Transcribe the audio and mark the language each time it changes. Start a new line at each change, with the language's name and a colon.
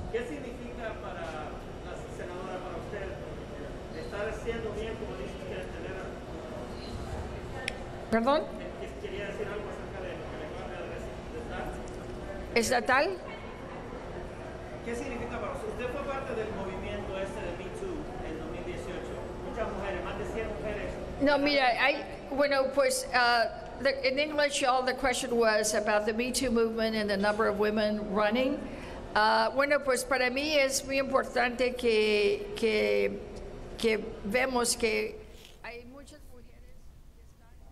Spanish: ¿Qué significa para la senadora, para usted, estar haciendo bien como dice que tener? ¿Perdón? ¿Quería decir algo acerca de lo que le acaba de decir? ¿Estatal? ¿Qué significa para usted? Usted fue parte del movimiento este de Me Too en 2018. Muchas mujeres, más de 100 mujeres. No, mira,
English: in English, y'all, the question was about the Me Too movement and the number of women running.
Spanish: Bueno, pues para mí es muy importante que vemos que hay muchas mujeres que están.